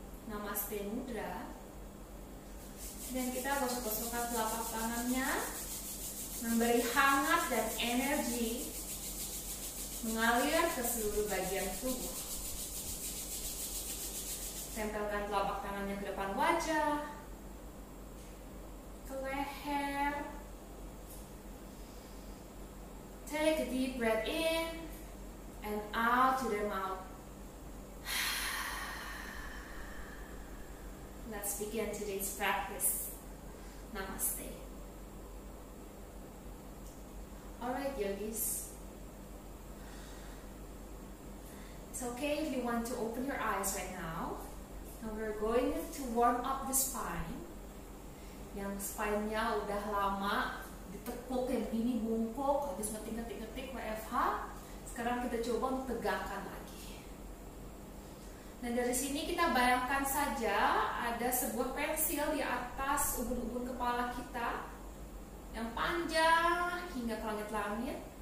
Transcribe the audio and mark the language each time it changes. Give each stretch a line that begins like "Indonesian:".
Indonesian: Namaste mudra. Dan kita gosok-gosokkan telapak tangannya, memberi hangat dan energi mengalir ke seluruh bagian tubuh. Tempelkan telapak tangannya ke depan wajah, ke leher.
English: Take a deep breath in and out to the mouth. Let's begin today's practice. Namaste. Alright, yogis. okay if you want to open your eyes right now. Now we're going to warm up the spine.
Indonesian: Yang spine-nya udah lama ditekuk, yang ini bungkuk, habis ngetik-ngetik-ngetik WFH. Sekarang kita coba untuk tegakkan lagi. Nah dari sini kita bayangkan saja ada sebuah pensil di atas ubun-ubun kepala kita yang panjang hingga ke langit-langit.